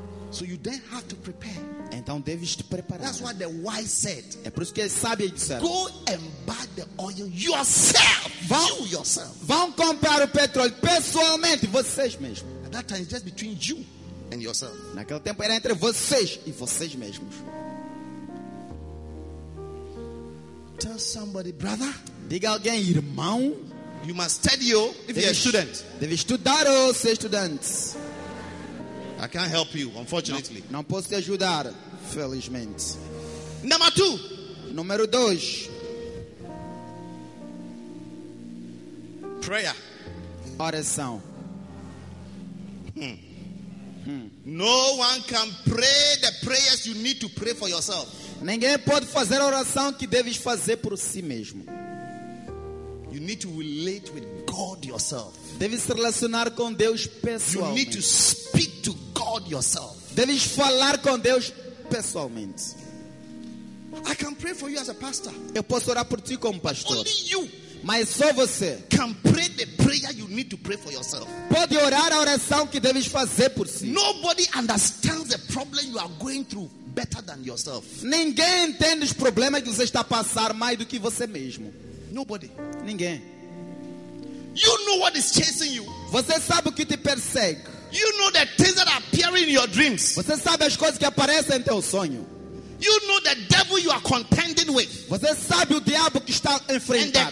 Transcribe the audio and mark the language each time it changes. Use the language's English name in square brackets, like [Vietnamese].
[English] So you then have to prepare. [Portuguese] Então deves te preparar. [English] That's what the wise said. [Portuguese] É por isso que sábio disse. [English] Go and buy the oil yourself. [Portuguese] Vão, [English] you yourself. [Portuguese] Vão comprar o petróleo pessoalmente vocês mesmos. [English] At that time, it's just between you and yourself. [Portuguese] Naquele tempo era entre vocês e vocês mesmos. [English] Tell somebody, brother. [Portuguese] Diga alguém, irmão. [English] You must study, oh, if you're a student. [Portuguese] Deve estudar, oh, ser estudante. [English] I can't help you, unfortunately. [Portuguese] Não, não posso te ajudar, felizmente. [English] Number two. [Portuguese] Número dois. [English] Prayer. [Portuguese] Oração. [English] No one can pray the prayers you need to pray for yourself. [Portuguese] Ninguém pode fazer a oração que deves fazer por si mesmo. [English] You need to relate with God yourself. [Portuguese] Deves se relacionar com Deus pessoalmente. [English] You need to speak to God yourself. [Portuguese] Deves falar com Deus pessoalmente. [English] I can pray for you as a pastor. [Portuguese] Eu posso orar por ti como pastor. [English] Only you. [Portuguese] Mas só você. [English] Can pray the prayer you need to pray for yourself. [Portuguese] Pode orar a oração que deves fazer por si. [English] Nobody understands the problem you are going through better than yourself. [Portuguese] Ninguém entende os problemas que você está a passar mais do que você mesmo. [English] Nobody. [Portuguese] Ninguém. [English] You know what is chasing you. [Portuguese] Você sabe o que te persegue. [English] You know the things that appear in your dreams. [Portuguese] Você sabe as coisas que aparecem em teu sonho. [English] You know the devil you are contending with. [Portuguese] Você sabe o diabo que está a enfrentar.